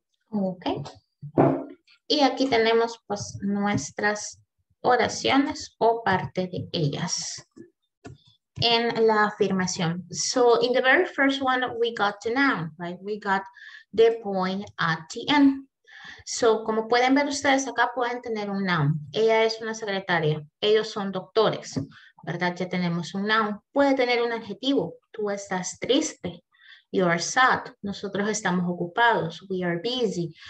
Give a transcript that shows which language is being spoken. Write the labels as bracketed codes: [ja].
[es] Ok, y aquí tenemos pues nuestras oraciones o parte de ellas en la afirmación. [en] So in the very first one, we got the noun, right? We got the point at the end. [es] So como pueden ver ustedes acá, pueden tener un noun. Ella es una secretaria, ellos son doctores, ¿verdad? Ya tenemos un noun. Puede tener un adjetivo, tú estás triste. [en] You are sad. [es] Nosotros estamos ocupados. [en] We are busy.